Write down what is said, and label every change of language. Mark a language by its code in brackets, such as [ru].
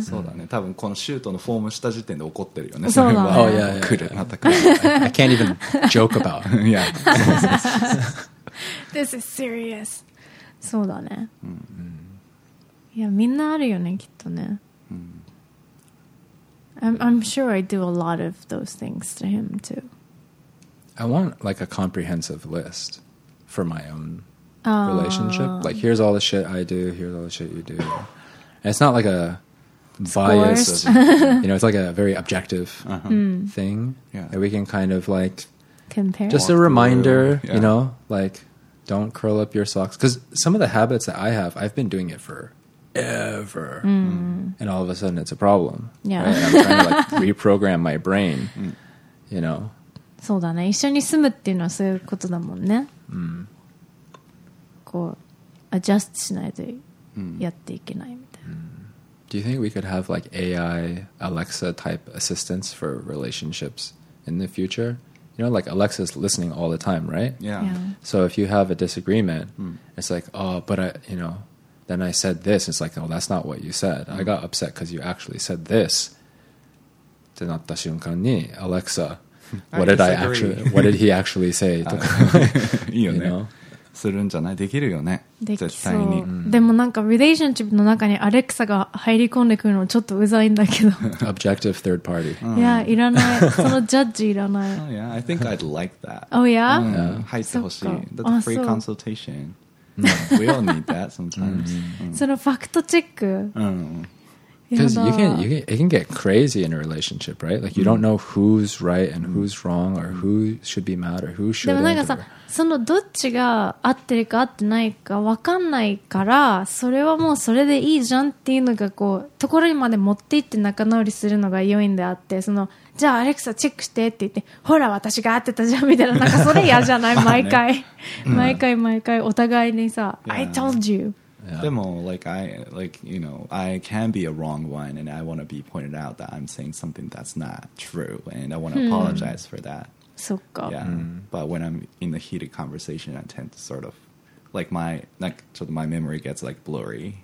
[ja] そうだね、多分このシュートのフォームした時点で怒ってるよね、そうだね、 [en] oh, yeah, yeah, yeah. [ja] 来る、また来る、 [en] I can't even joke about, yeah, this is serious, [ja] そうだね。いや、みんなあるよね、きっとね。 [en] I'm sure I do a lot of those things to him too. I want like a comprehensive list for my own relationship. Like, here's all the shit I do, here's all the shit you do. And it's not like a bias, of, you know, it's like a very objective thing. Yeah. That we can kind of like compare. Just a reminder, you know, like, don't curl up your socks. Because some of the habits that I have, I've been doing it for ever, and all of a sudden it's a problem. Yeah, right? I'm trying to like reprogram my brain. You know. [ja] そうだね。一緒に住むっていうのはそういうことだもんね。こう adjust しないとやっていけないみたいな。 [en] Do you think we could have like AI Alexa type assistance for relationships in the future? You know, like Alexa's listening all the time, right? Yeah. So if you have a disagreement, it's like, oh, but I, you know. Then I said this. It's like, oh, that's not what you said. I got upset because you actually said this. [ja] ってなった瞬間に [en] Alexa, what did he actually say? [ja] いいよね。 [en] you know? [ja] するんじゃない？できるよね。できそう。でもなんか relationship の中に Alexa が入り込んでくるのちょっとうざいんだけど。 [en] Objective third party. [ja] いや、いらない。そのジャッジいらない。 [en] Oh, yeah, I think I'd like that. Oh, yeah? Yeah. [ja] 入ってほしい。 [en] That's free consultation. No, we all need that sometimes. [ja] そのファクトチェック、 [en] Because it can get crazy in a relationship, right? Like, you don't know who's right and who's wrong, or who should be mad, or who shouldn't. [ja] でもなんかさ、そのどっちが合ってるか合ってないか分かんないから、それはもうそれでいいじゃんっていうのがこう、ところにまで持っていって仲直りするのが良いんであって、その、じゃあアレクサチェックしてって言って、ほら私が合ってたじゃんみたいな、なんかそれ嫌じゃない毎回。毎回毎回お互いにさ、 [en] I told you. Yeah. [ja] でも [en] like I like you know I can be a wrong one and I want to be pointed out that I'm saying something that's not true and I want to apologize for that. [ja] そっか。 [en] Yeah. But when I'm in the heated conversation, I tend to sort of like my like so my memory gets like blurry.